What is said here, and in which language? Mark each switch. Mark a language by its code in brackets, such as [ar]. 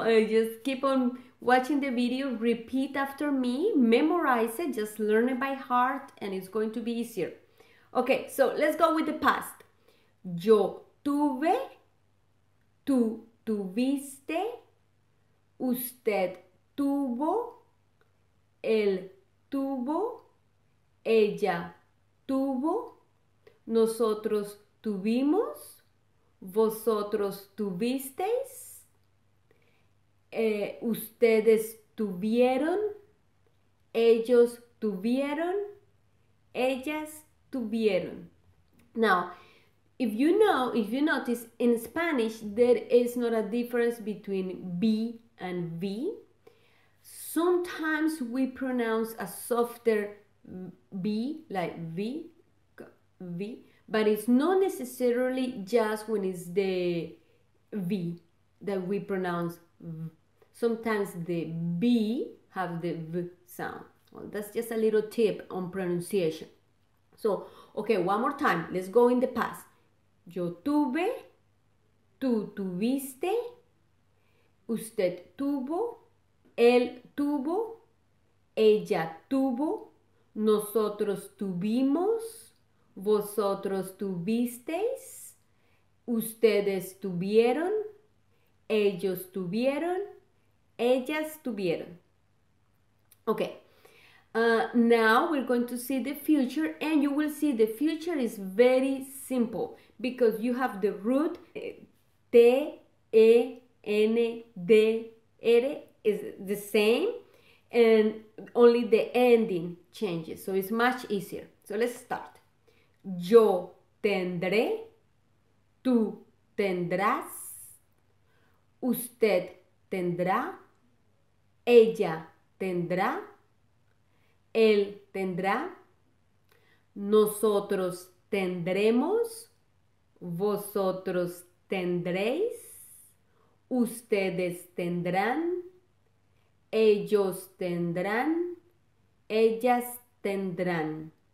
[en] Just keep on watching the video, repeat after me, memorize it, just learn it by heart, and it's going to be easier. Okay, so let's go with the past. [es] Yo tuve, tú tuviste, usted tuvo, él tuvo, ella tuvo, nosotros tuvimos, vosotros tuvisteis, ustedes tuvieron, ellos tuvieron, ellas tuvieron. [en] Now, if you notice, in Spanish, there is not a difference between be and be. Sometimes we pronounce a softer be, like v, v, but it's not necessarily just when it's the v that we pronounce v. Sometimes the b have the v sound. Well, that's just a little tip on pronunciation. So, okay, one more time. Let's go in the past. [es] Yo tuve, tú tuviste, Usted tuvo, él tuvo, ella tuvo, nosotros tuvimos, vosotros tuvisteis, ustedes tuvieron, ellos tuvieron, ellas tuvieron. [en] Okay. Now we're going to see the future, and you will see the future is very simple because you have the root TENER is the same, and only the ending changes, so it's much easier. So let's start. [es] Yo tendré, tú tendrás, usted tendrá, ella tendrá, él tendrá, nosotros tendremos, vosotros tendréis, ustedes tendrán, ellos tendrán, ellas tendrán.